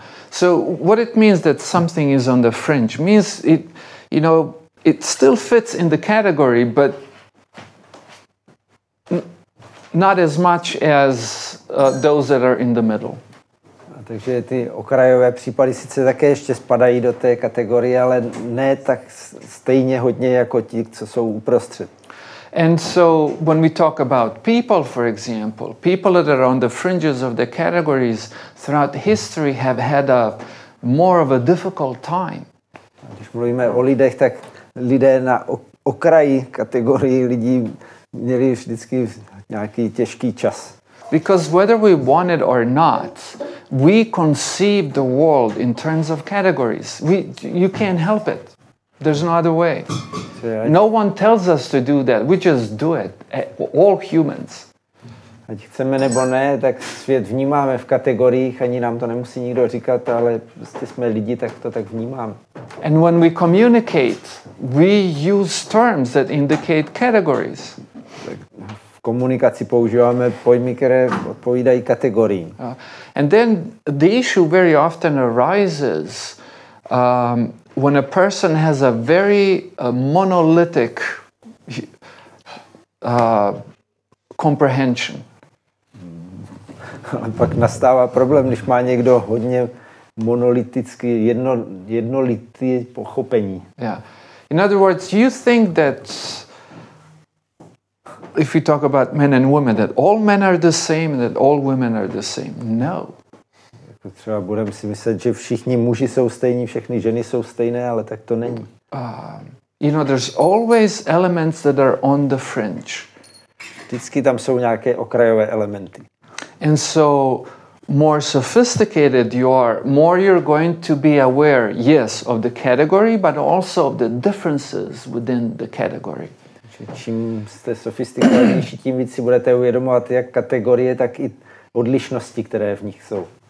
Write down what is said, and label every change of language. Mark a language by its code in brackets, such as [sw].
[en] So what it means that something is on the fringe means it, you know, it still fits in the category, but not as much as those that are in the middle. [cs] Takže ty okrajové případy sice také ještě spadají do té kategorie, ale ne tak stejně hodně jako ti, co jsou uprostřed. [en] And so when we talk about people, for example, people that are on the fringes of the categories throughout history have had a more of a difficult time. [cs] Když mluvíme o lidech, tak lidé na okraji kategorii lidí měli vždycky nějaký těžký čas. [en] Because whether we want it or not, we conceive the world in terms of categories. You can't help it. There's no other way. No one tells us to do that. We just do it. All humans. [cs] Ať chceme nebo ne, tak svět vnímáme v kategoriích. Ani nám to nemusí nikdo říkat, ale prostě jsme lidi, tak to tak vnímáme. [en] And when we communicate, we use terms that indicate categories. [cs] Komunikaci používáme pojmy, které odpovídají kategoriím. [en] And then the issue very often arises when a person has a very monolithic comprehension. [cs] A pak nastává problém, když má někdo hodně monolitický, jednolitý pochopení. [en] Yeah. In other words, you think that if we talk about men and women, that all men are the same, that all women are the same. No. [cs] Jako třeba budeme si myslet, že všichni muži jsou stejní, všechny ženy jsou stejné, ale tak to není. [en] You know, there's always elements that are on the fringe. [cs] Vždycky tam jsou nějaké okrajové elementy. [en] And so, more sophisticated you are, more you're going to be aware, yes, of the category, but also of the differences within the category. [cs] Čím jste sofistikovanější, tím víc si budete uvědomovat jak kategorie, tak i odlišnosti, které v nich jsou.